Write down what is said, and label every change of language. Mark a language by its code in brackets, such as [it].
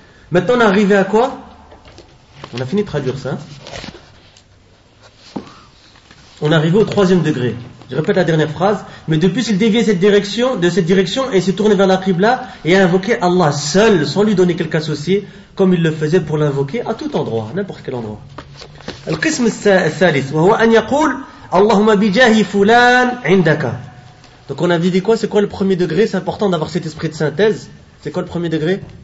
[fr] Maintenant on est arrivé à quoi? On a fini de traduire ça. On est arrivé au troisième degré. Je répète la dernière phrase. Mais depuis, il déviait de cette direction et s'est tourné vers la Qibla et a invoqué Allah seul, sans lui donner quelque associé, comme il le faisait pour l'invoquer à tout endroit, n'importe quel endroit. [ar] القسم الثالث وهو أن يقول اللهم بجاه فلان عندك [fr] Donc on avait dit quoi? C'est quoi le premier degré? C'est important d'avoir cet esprit de synthèse. C'est quoi le premier degré?